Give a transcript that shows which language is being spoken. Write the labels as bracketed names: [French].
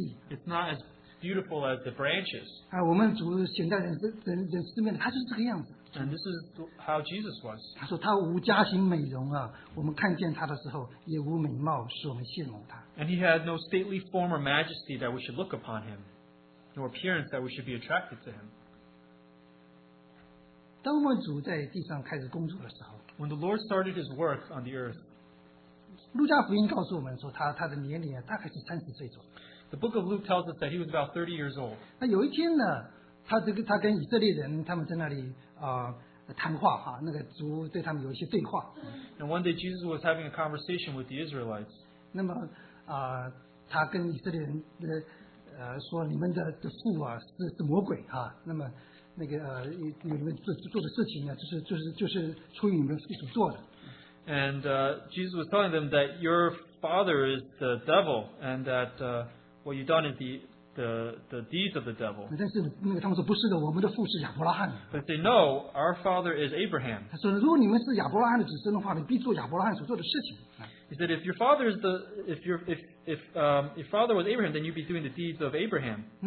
[English] It's not as beautiful as the branches. [Chinese] 我们主显在人世面的他就是这个样子, [English] and this is how Jesus was. [Chinese] 他说他无家型美容啊, 我们看见他的时候, 也无美貌, 使我们羡慕他, [English] and he had no stately form or majesty that we should look upon him, nor appearance that we should be attracted to him. [Chinese] 当我们主在地上开始工作的时候, [English] when the Lord started his work on the earth, [Chinese] 路加福音告诉我们说他的年龄大概是30岁左右, [English] the book of Luke tells us that he was about 30 years old. [Chinese] 那有一天呢, 他跟以色列人他们在那里, 谈话啊, 那个主对他们有一些对话, [English] and one day Jesus was having a conversation with the Israelites. [Chinese] 那么, 他跟以色列人的, 说, 你们的父啊, 是魔鬼, 啊, 那么那个, 你们做的事情啊, 就是出于你们所做的, [English] and Jesus was telling them that your father is the devil, and that what you've done is the deeds of the devil. [Chinese] 但是他们说不是的,我们的父是亚伯拉罕, [English] but they know our father is Abraham. [Chinese] 他说如果你们是亚伯拉罕的子孙的话,你必做亚伯拉罕所做的事情, [English] he said if your father is the if father was Abraham, then you'd be doing the deeds of Abraham.